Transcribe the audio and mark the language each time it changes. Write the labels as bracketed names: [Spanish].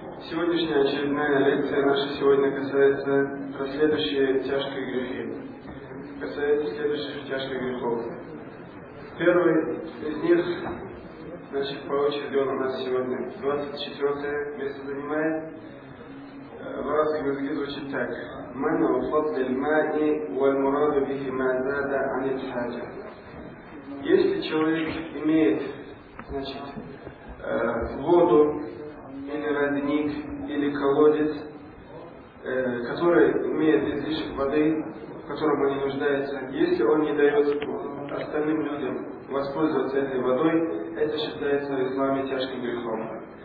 [Russian] Сегодняшняя очередная лекция наша сегодня касается про следующие тяжкие грехи. Касается следующих тяжких грехов. Первый из них, значит, по очереди он у нас сегодня 24-е место занимает. В арабском языке звучит так. [Arabic] من فضل الماء والمراد به ما زاد عن الحاجة. [Russian] Если человек имеет, значит, воду или родник или колодец, который имеет излишек воды, в котором они нуждаются, если он не дает остальным людям воспользоваться этой водой, это считается в исламе тяжким грехом.